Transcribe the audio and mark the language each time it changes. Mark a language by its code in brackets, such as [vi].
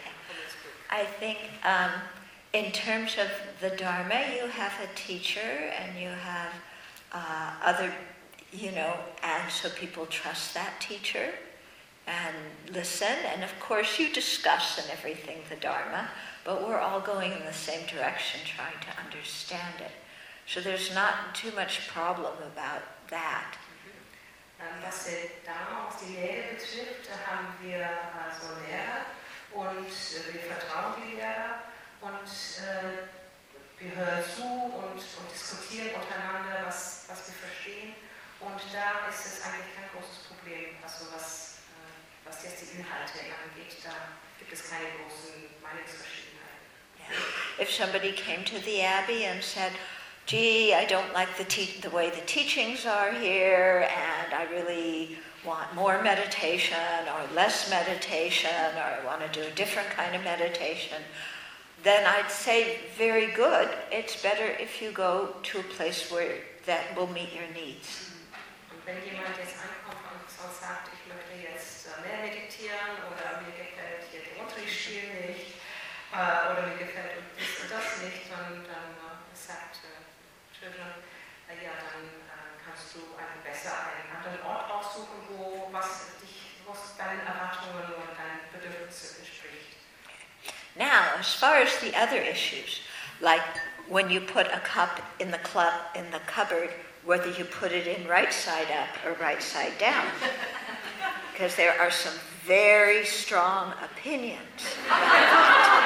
[en] Okay. I think, in terms of the Dharma, you have a teacher and you have other, you know, and so people trust that teacher and listen. And of course, you discuss and everything the Dharma, but we're all going in the same direction trying to understand it. So there's not too much problem about that. [de] Was der Dharma auf die Lehre betrifft, da haben wir also Lehrer und wir vertrauen die Lehrer. Und wir hören zu und diskutieren untereinander, was wir verstehen. Und da ist es eigentlich kein großes Problem, also was jetzt die Inhalte angeht. Da gibt es keine großen Meinungsverschiedenheiten. [en] Yeah. If somebody came to the Abbey and said, gee, I don't like the way the teachings are here, and I really want more meditation or less meditation, or I want to do a different kind of meditation, then I'd say, very good, it's better if you go to a place where that will meet your needs. [de] Und wenn jemand jetzt ankommt und sagt, ich möchte jetzt mehr meditieren, oder mir gefällt hier der Unterrichtsstil nicht, oder mir gefällt das nicht, dann sagt Trivian, ja, dann kannst du einen anderen Ort aussuchen, wo deine Erwartungen und deine Bedürfnisse entspricht. [en] Now, as far as the other issues, like when you put a cup in the cupboard, whether you put it in right side up or right side down, because there are some very strong opinions.